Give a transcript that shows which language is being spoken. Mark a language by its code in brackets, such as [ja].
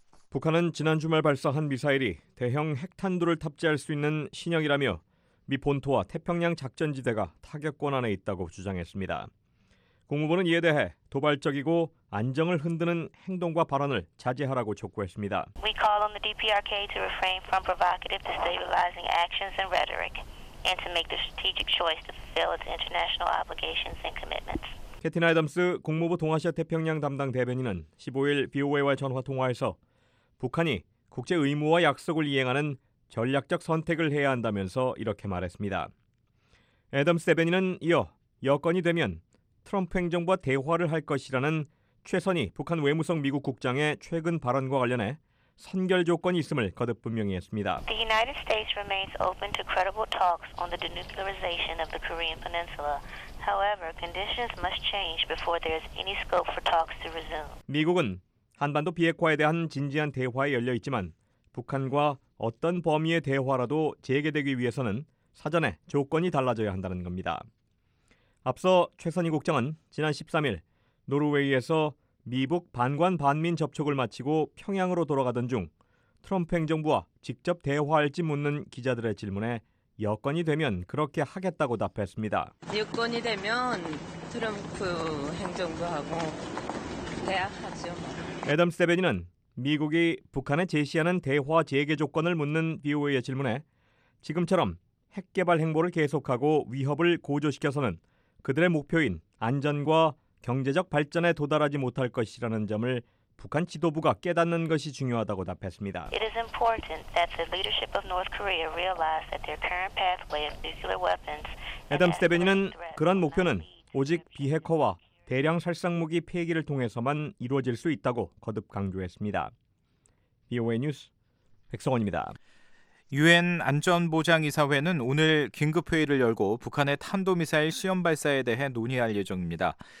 [ko] 북한은 지난 주말 발사한 미사일이 대형 핵탄두를 탑재할 수 있는 신형이라며 미 본토와 태평양 작전지대가 타격권 안에 있다고 주장했습니다. 국무부는 이에 대해 도발적이고 안정을 흔드는 행동과 발언을 자제하라고 촉구했습니다. [en] We call on the DPRK to refrain from provocative destabilizing actions and rhetoric and to make the strategic choice to fulfill its international obligations and commitments. [ko] 캐티나 애덤스 국무부 동아시아 태평양 담당 대변인은 15일 BOA와 전화 통화에서 북한이 국제 의무와 약속을 이행하는 전략적 선택을 해야 한다면서 이렇게 말했습니다. 애덤스 대변인은 이어 여건이 되면 트럼프 행정부와 대화를 할 것이라는 최선희 북한 외무성 미국 국장의 최근 발언과 관련해 선결 조건이 있음을 거듭 분명히 했습니다. [en] The United States remains open to credible talks on the denuclearization of the Korean Peninsula. However, conditions must change before there is any scope for talks to resume. [ko] 미국은 한반도 비핵화에 대한 진지한 대화에 열려 있지만 북한과 어떤 범위의 대화라도 재개되기 위해서는 사전에 조건이 달라져야 한다는 겁니다. 앞서 최선희 국장은 지난 13일 노르웨이에서 미북 반관 반민 접촉을 마치고 평양으로 돌아가던 중 트럼프 행정부와 직접 대화할지 묻는 기자들의 질문에 여건이 되면 그렇게 하겠다고 답했습니다. 여건이 되면 트럼프 행정부하고 대화하죠. 애덤스 대변인은 미국이 북한에 제시하는 대화 재개 조건을 묻는 BOA의 질문에 지금처럼 핵개발 행보를 계속하고 위협을 고조시켜서는 그들의 목표인 안전과 경제적 발전에 도달하지 못할 것이라는 점을 북한 지도부가 깨닫는 것이 중요하다고 답했습니다. [en] It is important that the leadership of North Korea realize that their current pathway of nuclear weapons. [ko] 애덤 스테베니는 그런 목표는 오직 비핵화와 대량 살상무기 폐기를 통해서만 이루어질 수 있다고 거듭 강조했습니다. VOA 뉴스 백성원입니다. 유엔 안전보장이사회는 오늘 긴급회의를 열고 북한의 탄도미사일 시험 발사에 대해 논의할 예정입니다.